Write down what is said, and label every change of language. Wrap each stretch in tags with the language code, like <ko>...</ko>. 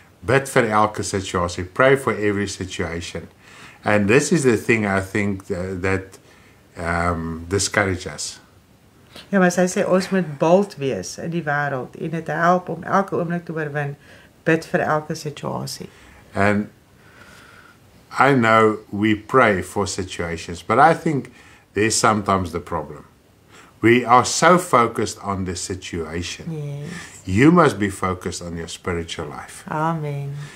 <af>Bid vir elke situasie.</af> <en>Pray for every situation. And this is the thing I think that discourage us.</en> <af>Ja, maar sy sê, ons moet bold wees in die wêreld en dit help om elke oomblik te oorwin. Bid vir elke situasie.</af> <en>And I know we pray for situations, but I think there's sometimes the problem. We are so focused on the situation. Yes. You must be focused on your spiritual life. Amen.</en>